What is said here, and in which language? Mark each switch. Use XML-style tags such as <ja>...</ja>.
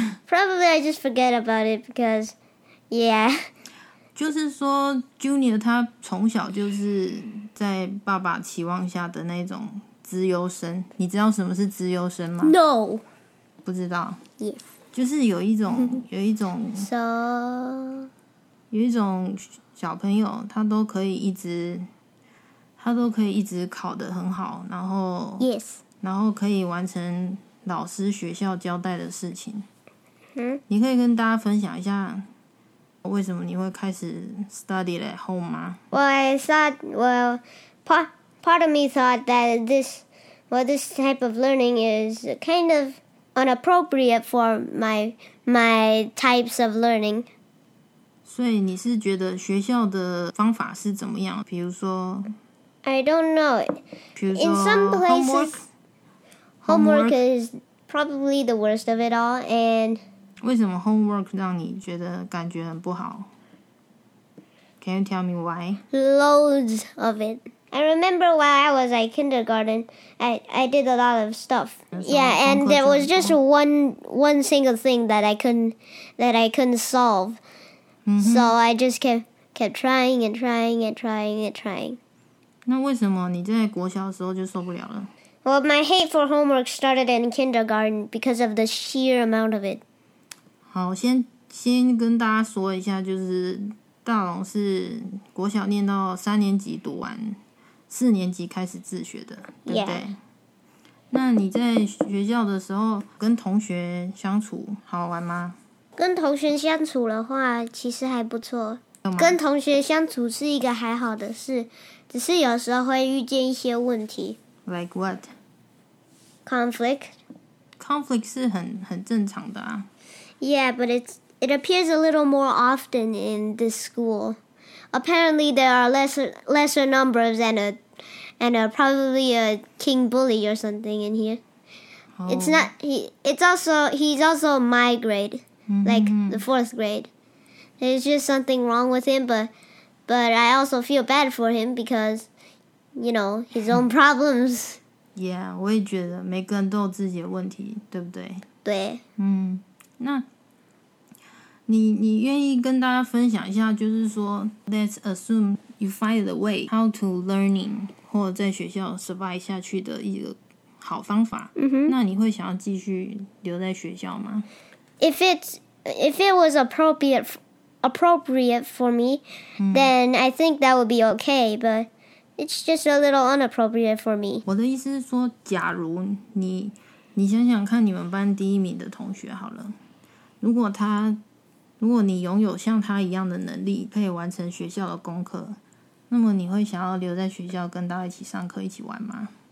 <en>Probably I just forget about it because, yeah.</en> <zh>就是说 ，Junior 他从小就是。在爸爸期望下的那种资优生，你知道什么是资优生吗</zh> <en>？No，</en> <zh>不知道。</zh> <en>Yes，</en> <zh>就是有一种</zh> <en>，so</en> <zh>有一种小朋友，他都可以一直考得很好，然后</zh> <en>Yes，</en> <zh>然后可以完成老师学校交代的事情。嗯，你可以跟大家分享一下。为什么你会开始 study at home 吗</zh> <en>？Well, I thought, well, part of me thought that this type of learning is kind of inappropriate for my types of learning.</en> <zh>所以你是觉得学校的方法是怎么样？比如说</zh> <en>，I don't know. In some places, homework is probably the worst of it all, and.</en> <zh>为什么 homework 让你觉得感觉很不好 ？</zh> <en>Can you tell me why? Loads of it. I remember while I was like kindergarten, I did a lot of stuff. Yeah, and there was just one single thing that I couldn't solve.、 Mm-hmm. So I just kept trying and trying and trying and trying.</en> <zh>那为什么你在国小的时候就受不了了？</zh> <en>Well, my hate for homework started in kindergarten because of the sheer amount of it.</en> <zh>好，先跟大家说一下，就是大龙是国小念到三年级读完，四年级开始自学的，对不对？</zh> <en>Yeah.</en> <zh>那你在学校的时候跟同学相处好玩吗？跟同学相处的话其实还不错，跟同学相处是一个还好的事，只是有时候会遇见一些问题。</zh> <en>Like what? Conflict.</en> <zh>Conflict 是很正常的啊。</zh> <en>Yeah, but it appears a little more often in this school. Apparently there are lesser numbers and probably a king bully or something in here. He's also my grade. Like, the fourth grade. There's just something wrong with him, but I also feel bad for him because, you know, his own problems.</en> <zh>Yeah, 我也觉得每个人都有自己的问题，对不对？对。那你愿意跟大家分享一下，就是说</zh> <en>let's assume you find a way how to learning</en> <zh>或者在学校 survive 下去的一个好方法。那你会想要继续留在学校吗？</zh> <en>If it was appropriate for me, then I think that would be okay. But it's just a little inappropriate for me.</en> <zh>我的意思是说，假如你想想看，你们班第一名的同学好了，如果你拥有像他一样的能力，可以完成学校的功课，那么你会想要留在学校跟大家一起上课、一起玩吗？</zh>